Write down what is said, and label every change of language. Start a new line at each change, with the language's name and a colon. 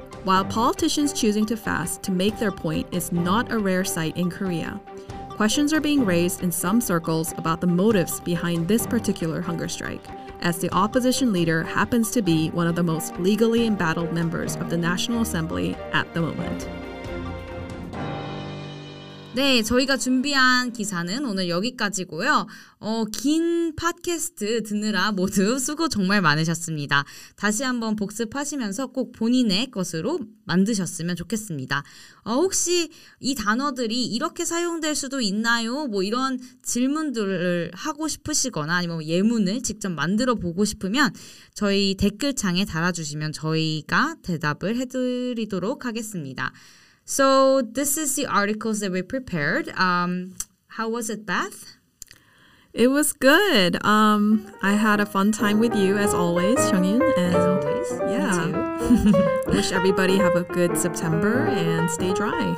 English: While politicians choosing to fast to make their point is not a rare sight in Korea, questions are being raised in some circles about the motives behind this particular hunger strike, as the opposition leader happens to be one of the most legally embattled members of the National Assembly at the moment.
Korean: 네, 저희가 준비한 기사는 오늘 여기까지고요. 긴 팟캐스트 듣느라 모두 수고 정말 많으셨습니다. 다시 한번 복습하시면서 꼭 본인의 것으로 만드셨으면 좋겠습니다. 혹시 이 단어들이 이렇게 사용될 수도 있나요? 뭐 이런 질문들을 하고 싶으시거나 아니면 예문을 직접 만들어 보고 싶으면 저희 댓글창에 달아주시면 저희가 대답을 해드리도록 하겠습니다.
English: So this is the articles that we prepared. How was it, Beth? It was good. I had a fun time with you, as always, Hyungin. As always, yeah. Me too. Wish everybody have a good September and stay dry.